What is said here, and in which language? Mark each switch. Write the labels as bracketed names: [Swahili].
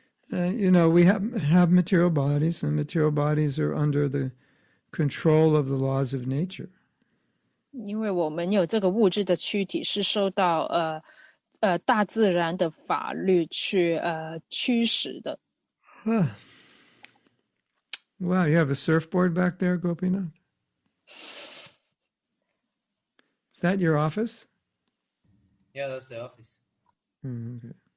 [English] You know, we have material bodies, and material bodies are under the control of the laws of nature. [Chinese] 因为我们有这个物质的躯体是受到 大自然的法律去驱使的。 [English] Wow, you have a surfboard back there, Gopinath? Is that your office? Yeah, that's the office. Okay.